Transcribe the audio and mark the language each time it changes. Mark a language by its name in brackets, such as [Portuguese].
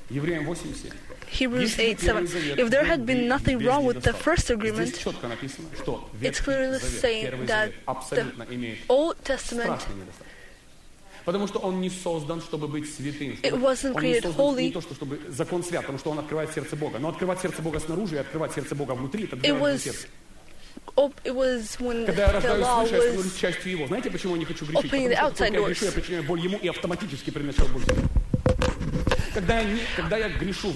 [English] Hebrews 8:7. If there had been nothing wrong with the first agreement, it's clearly saying that the Old Testament, [Russian] потому что он не создан, чтобы быть святым. [English] It wasn't created holy. [Russian] Не то, что, чтобы закон свят, потому что он открывает сердце Бога. Но открывать сердце Бога снаружи и открывать сердце Бога внутри — это другое сердце. [English] It was when the law was opening the outside doors.